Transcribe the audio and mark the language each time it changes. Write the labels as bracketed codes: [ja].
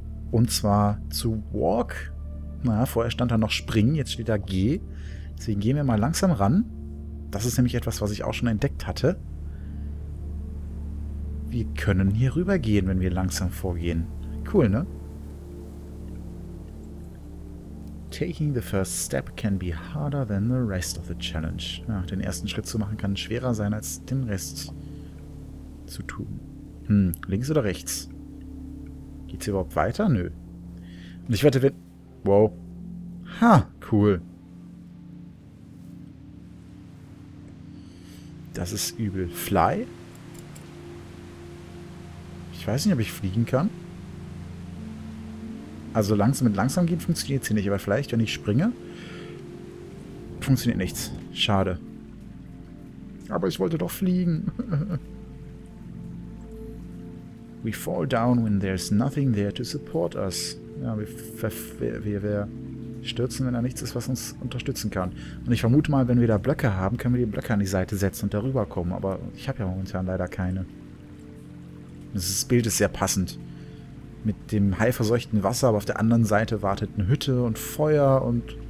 [de] Und zwar zu Walk. Naja, vorher stand da noch Springen, jetzt steht da G. Deswegen gehen wir mal langsam ran. Das ist nämlich etwas, was ich auch schon entdeckt hatte. Wir können hier rüber gehen, wenn wir langsam vorgehen. Cool, ne? [en] Taking the first step can be harder than the rest of the challenge. [de] Ja, den ersten Schritt zu machen kann schwerer sein, als den Rest zu tun. Links oder rechts? Geht's hier überhaupt weiter? Nö. Und ich wette, wenn... Wow. Ha, cool. Das ist übel. Fly? Ich weiß nicht, ob ich fliegen kann. Also langsam mit langsam gehen funktioniert es hier nicht. Aber vielleicht, wenn ich springe, funktioniert nichts. Schade. Aber ich wollte doch fliegen. [en] We fall down when there's nothing there to support us. [de] Ja, wir stürzen, wenn da nichts ist, was uns unterstützen kann. Und ich vermute mal, wenn wir da Blöcke haben, können wir die Blöcke an die Seite setzen und darüber kommen. Aber ich habe ja momentan leider keine. Das Bild ist sehr passend. Mit dem heilverseuchten Wasser, aber auf der anderen Seite wartet eine Hütte und Feuer und...